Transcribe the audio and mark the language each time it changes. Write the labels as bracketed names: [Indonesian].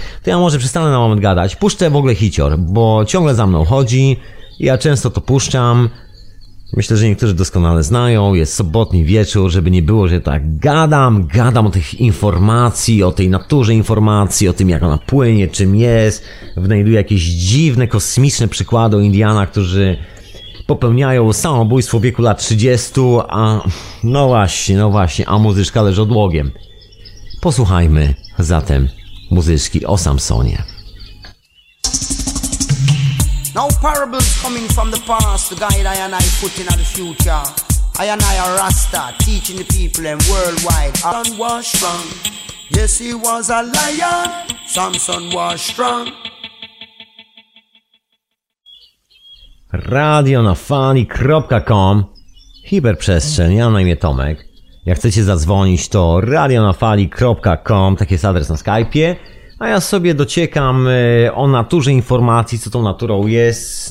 [Polish] To ja może przestanę na moment gadać, puszczę w ogóle hicior, bo ciągle za mną chodzi, ja często to puszczam, myślę, że niektórzy doskonale znają, jest sobotni wieczór, żeby nie było, że tak gadam o tych informacji, o tej naturze informacji, o tym, jak ona płynie, czym jest, znajduję jakieś dziwne, kosmiczne przykłady o Indianach, którzy popełniają samobójstwo w wieku lat 30, a no właśnie, a muzyczka leży odłogiem. Posłuchajmy zatem muzyczki o Samsonie. [English] No parables coming from the past to guide I and I put in the future. I and I are Rasta teaching the people and worldwide. Samson was strong. Yes, he was a lion. Samson was strong. [Polish] radionafali.com, hiperprzestrzeń, ja na imię Tomek. Jak chcecie zadzwonić, to radionafali.com, taki jest adres na Skype'ie. A ja sobie dociekam o naturze informacji, co tą naturą jest.